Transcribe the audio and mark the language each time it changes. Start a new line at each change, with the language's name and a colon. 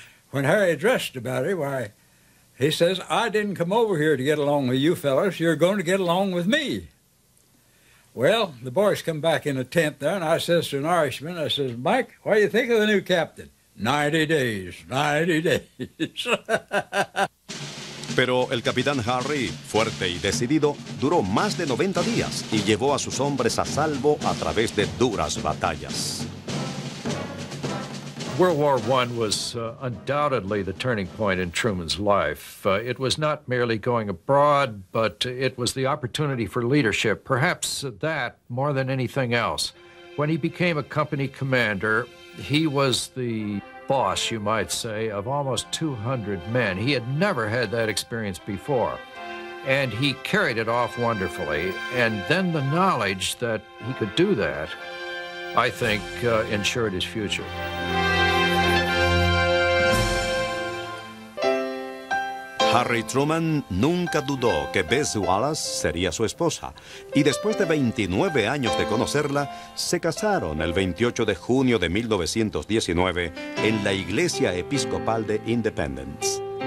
English: When Harry addressed about it, why, he says, I didn't come over here to get along with you fellas, you're going to get along with me. Well, the boys come back in a tent there, and I says to an Irishman, I says, Mike, what do you think of the new captain? 90 days, 90 days.
Spanish: Pero el capitán Harry, fuerte y decidido, duró más de 90 días y llevó a sus hombres a salvo a través de duras batallas.
English: World War I was undoubtedly the turning point in Truman's life. It was not merely going abroad, but it was the opportunity for leadership, perhaps that more than anything else. When he became a company commander, he was the boss, you might say, of almost 200 men. He had never had that experience before, and he carried it off wonderfully. And then the knowledge that he could do that, I think, ensured his future.
Spanish: Harry Truman nunca dudó que Bess Wallace sería su esposa, y después de 29 años de conocerla, se casaron el 28 de junio de 1919 en la iglesia episcopal de Independence.